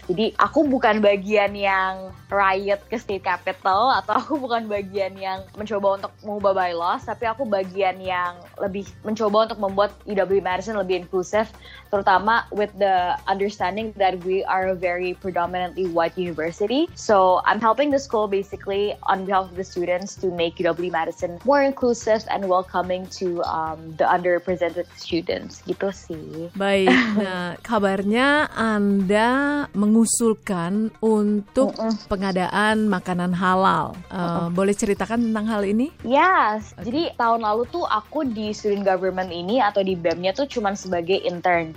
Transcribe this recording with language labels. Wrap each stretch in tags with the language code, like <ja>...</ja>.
<id>Jadi aku bukan bagian yang riot ke state capital, atau aku bukan bagian yang mencoba untuk mengubah bylaws, tapi aku bagian yang lebih mencoba untuk membuat UW Madison lebih inclusive, terutama</id> <en>with the understanding that we are a very predominantly white university. So I'm helping the school basically on behalf of the students to make UW Madison more inclusive and welcoming to the underrepresented students.</en> <id>Gitu sih. Baik. Nah, kabarnya Anda mengusulkan untuk pengadaan makanan halal. Boleh ceritakan tentang hal ini?</id> <en>Yes. Okay.</en> <id>Jadi tahun lalu tuh aku di student government ini atau di BEM-nya tuh cuman sebagai intern.</id>